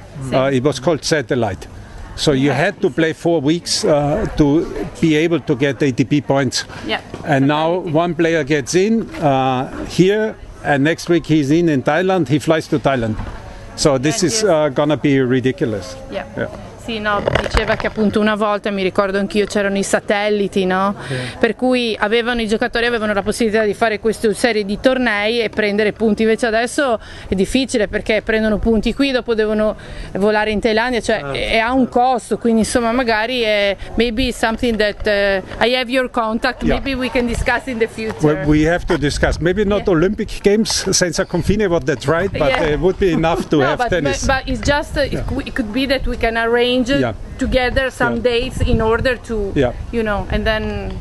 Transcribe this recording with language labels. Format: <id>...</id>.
<en>It was called Satellite. So you had to play 4 weeks to be able to get ATP points. And now one player gets in here, and next week he's in Thailand, he flies to Thailand. So this is gonna be ridiculous.</en> <it>Sì, no, diceva che appunto una volta, mi ricordo anch'io, c'erano i satelliti, no? Per cui i giocatori avevano la possibilità di fare queste serie di tornei e prendere punti. Invece adesso è difficile, perché prendono punti qui, dopo devono volare in Thailandia, cioè ha un costo. Quindi insomma magari è</it> <en>maybe something that I have your contact, maybe we can discuss in the future. Well, we have to discuss, maybe not Olympic Games,</en> <it>senza confine,</it> <en>what that's right, but it would be enough to have tennis. But it's just, it could be that we can arrange together some dates in order to, you know, and then...</en>